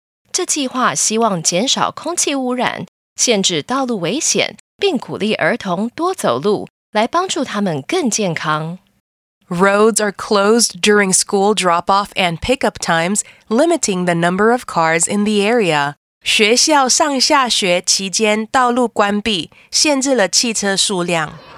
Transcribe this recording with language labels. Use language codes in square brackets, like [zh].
[zh] 这计划希望减少空气污染，限制道路危险，并鼓励儿童多走路，来帮助他们更健康。 [en] Roads are closed during school drop-off and pick-up times, limiting the number of cars in the area. [zh] 学校上下学期间道路关闭，限制了汽车数量。